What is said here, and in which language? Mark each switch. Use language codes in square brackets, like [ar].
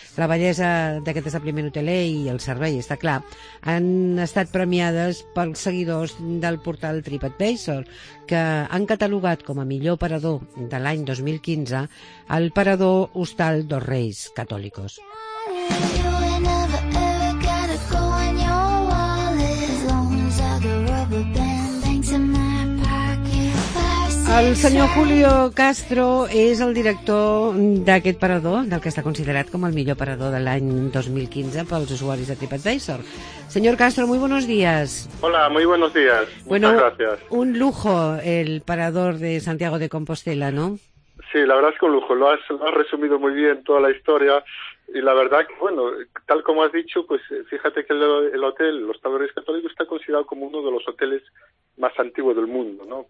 [ca] La bellesa d'aquest establiment hoteler i el servei, està clar, han estat premiades pels seguidors del portal TripAdvisor, que han catalogat com a millor parador de l'any 2015 el parador Hostal dos Reis Catòlicos. [en] You ain't never ever gotta go on your wallet. As long as I got rubber band bangs in my pocket. [ca] El senyor Julio Castro és el director d'aquest parador, del que està considerat com el millor parador de l'any 2015 pels usuaris de TripAdvisor. [es] Senyor Castro, muy buenos días. Hola, muy buenos días. Bueno, muchas gracias. Un lujo el parador de Santiago de Compostela, ¿no? Sí, la verdad es que un lujo. Lo has resumido muy bien toda la historia. Y la verdad que, bueno, tal como has dicho, pues fíjate que el hotel, los Tabores Católicos, está considerado como uno de los hoteles más antiguo del mundo, ¿no?